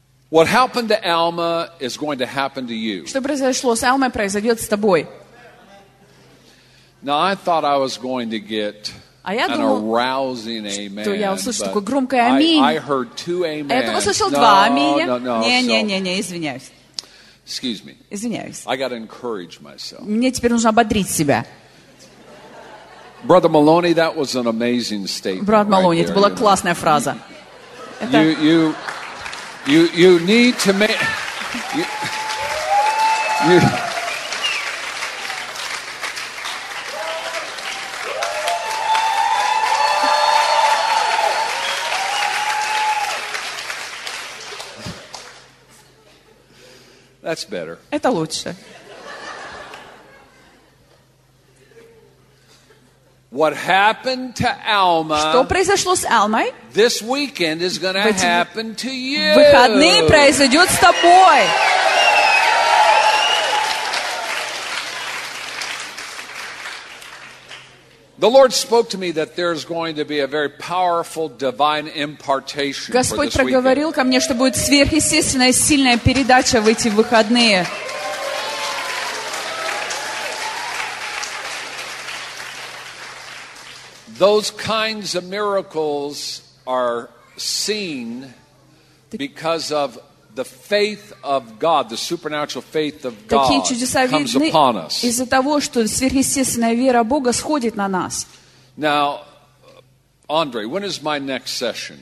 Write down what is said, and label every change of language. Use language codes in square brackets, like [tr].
[en] What happened to Alma is going to happen to you. [ru] Что произошло с Алмой произойдет с тобой. [en] Now I thought I was going to get an arousing amen. [ru] Я услышал такое громкое аминь. [en] I heard two amen. [ru] Я только услышал два аминя. Не, извиняюсь. [en] Excuse me. [ru] Извиняюсь. [en] I got to encourage myself. [ru] Мне теперь нужно ободрить себя. [en] Brother Maloney, that was an amazing statement. [ru] Брат Малони, [en] right [ru] это была классная фраза. [en] You need to make That's better. [ru] Это лучше. [en] What happened to Alma? [ru] Что произошло с Алмой? [en] This weekend is going to happen to you. [ru] Выходные произойдет с тобой. [en] The Lord spoke to me that there's going to be a very powerful divine impartation. [ru] Господь проговорил ко мне, что будет сверхъестественная сильная передача в эти выходные. [en] Those kinds of miracles are seen because of the faith of God, the supernatural faith of God comes upon us. [ru] Из-за того, что сверхъестественная вера Бога сходит на нас. [en] Now, Andre, when is my next session?